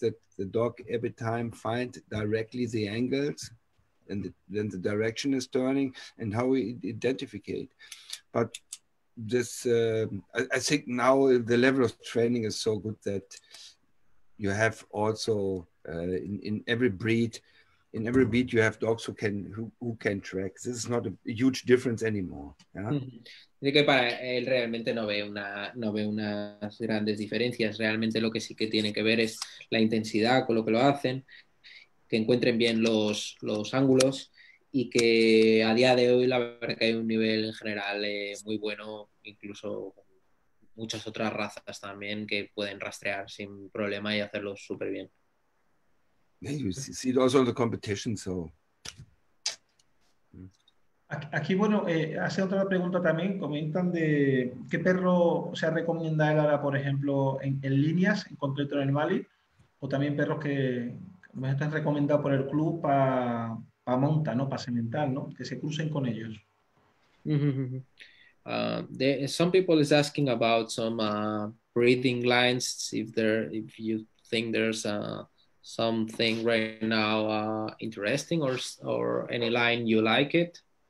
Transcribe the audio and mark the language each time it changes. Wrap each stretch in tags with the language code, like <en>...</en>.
<en>That the dog every time find directly the angles, and then the direction is turning and how we identify. But this, I think now the level of training is so good that you have also in every breed. In every beat, you have dogs who can track. This is not a huge difference anymore.</en> <es>Dice que para él realmente no ve unas grandes diferencias. Realmente lo que sí que tiene que ver es la intensidad con lo que lo hacen, que encuentren bien los ángulos y que a día de hoy la verdad que hay un nivel en general muy bueno, incluso muchas otras razas también que pueden rastrear sin problema y hacerlo súper bien.</es> <en>Yeah, you see it also in the competition, so.</en> <es>Aquí, bueno, hace otra pregunta también. Comentan de qué perro se recomienda él ahora, por ejemplo, en líneas, en concreto en el Mali, o también perros que me están recomendados por el club para monta, ¿no? Para semental, ¿no? Que se crucen con ellos.</es> <en>Some people is asking about some breathing lines, if you think there's a something right now interesting or any line you like it.</en>